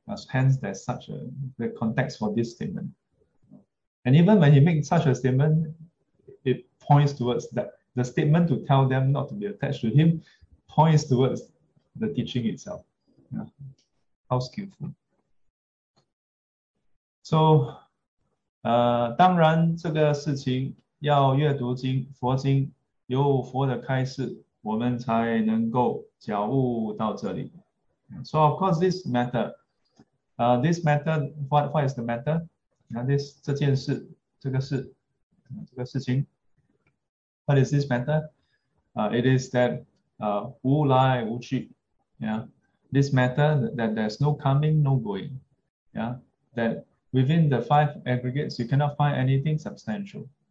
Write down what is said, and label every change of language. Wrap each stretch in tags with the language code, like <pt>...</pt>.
<en>Hence, there's such a the context for this statement. And even when he makes such a statement, it points towards that the statement to tell them not to be attached to him points towards the teaching itself. Yeah. How skillful. So,</en> <zh>当然这个事情要阅读经佛经，有佛的开示，我们才能够觉悟到这里.</zh> <en>So, of course, this matter, what is the matter? Yeah, this</en> <zh>这件事，这个事，这个事情.</zh> <en>What is this matter? It is that</en> <zh>wu lai wu qi,</zh> <en>yeah. this matter that there's no coming, no going. Yeah, that within the five aggregates, you cannot find anything substantial.</en>